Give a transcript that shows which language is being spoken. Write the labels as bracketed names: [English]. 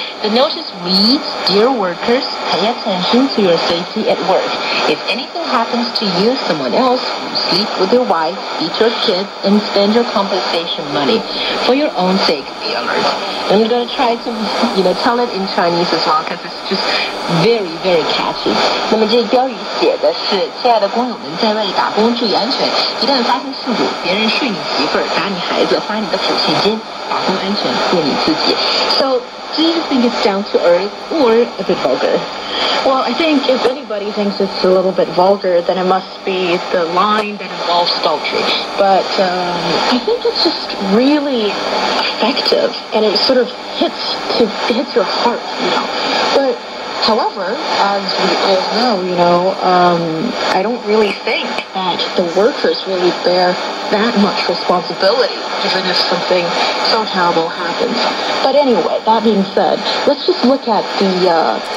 [English] The notice reads, "Dear workers, pay attention to your safety at work. If anything happens to you, someone else, sleep with your wife, beat your kids, and spend your compensation money. For your own sake, be alert." I'm going to try to, tell it in Chinese as well, because it's just very, very catchy. [Chinese] 那么这标语写的是, 亲爱的工友们在外打工注意安全, 一旦发生事故, 别人睡你媳妇儿, 打你孩子, 花你的抚恤金, 保护安全, 为你自己。 [English] So, do you think it's down to earth or a bit vulgar? Well, I think if anybody thinks it's a little bit vulgar, then it must be the line that involves adultery. But I think it's just really effective, and it sort of hits your heart, But however, as we all know, I don't really think that the workers really bear that much responsibility, even if something so terrible happens. But anyway, that being said, let's just look at the...